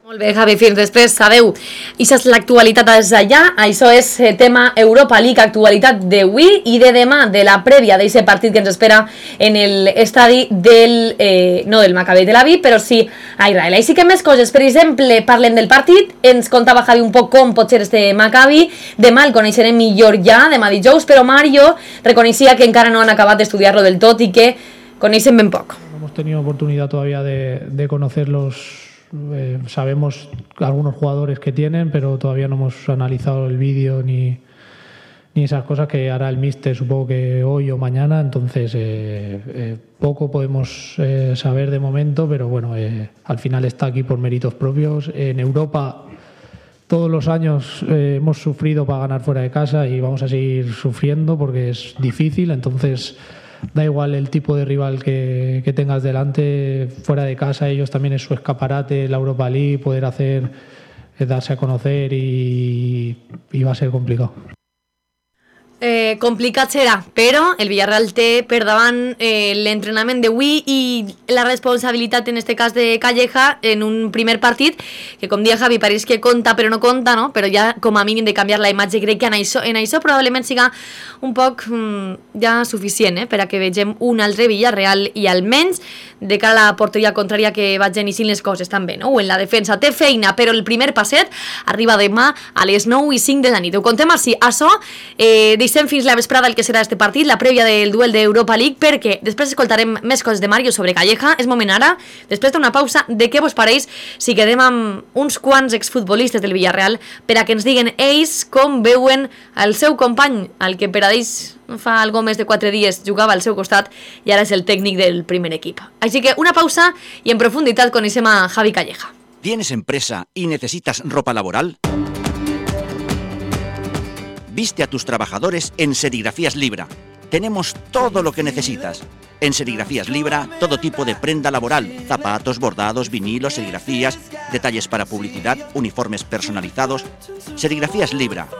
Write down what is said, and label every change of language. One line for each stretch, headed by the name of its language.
Catalan: Molt bé, Javi, fins després, adeu. Això és l'actualitat des d'allà, això és tema Europa League, actualitat d'avui i de demà, de la prèvia d'aquest partit que ens espera en l'estadi del, no del Maccabi Tel Aviv, però sí a Israel. Així que més coses, per exemple, parlem del partit, ens contava Javi un poc com pot ser este Maccabi, demà el coneixerem millor ja, demà dijous, però Mario reconeixia que encara no han acabat d'estudiar-lo del tot i que Coneixen ben poc.
Spanish: No hemos tenido oportunidad todavía de conocerlos. Sabemos algunos jugadores que tienen, pero todavía no hemos analizado el vídeo ni esas cosas que hará el míster, supongo que hoy o mañana. Entonces, poco podemos saber de momento, pero bueno, al final está aquí por méritos propios. En Europa, todos los años hemos sufrido para ganar fuera de casa y vamos a seguir sufriendo porque es difícil. Entonces, da igual el tipo de rival que tengas delante, fuera de casa, ellos también es su escaparate, la Europa League, poder hacer, darse a conocer y va a ser complicado.
Catalan: Complicat serà, però el Villarreal té per davant l'entrenament d'avui i la responsabilitat en este cas de Calleja en un primer partit que, com deia Javi, pareix que compta però no compta, no? Però ja com a mínim de canviar la imatge, crec que en això probablement siga un poc ja suficient, per a que vegem un altre Villarreal i almenys de cara a la porteria contrària que vagin i sin les coses també, no? O en la defensa té feina, però el primer passet arriba demà a les 9 i 5 de la nit. Ho contem així, això deixem fins la vesprada el que serà este partit, la prèvia del duel d'Europa League, perquè després escoltarem més coses de Mario sobre Calleja. És moment ara, després d'una pausa, de què vos pareix si quedem amb uns quants exfutbolistes del Villarreal per a que ens diguen ells com veuen el seu company, el que per a ells fa algo més de 4 dies jugava al seu costat i ara és el tècnic del primer equip. Així que una pausa i en profunditat coneixem a Javi Calleja.
Spanish: ¿Tienes empresa y necesitas ropa laboral? Viste a tus trabajadores en Serigrafías Libra. Tenemos todo lo que necesitas. En Serigrafías Libra, todo tipo de prenda laboral. Zapatos, bordados, vinilos, serigrafías, detalles para publicidad, uniformes personalizados. Serigrafías Libra.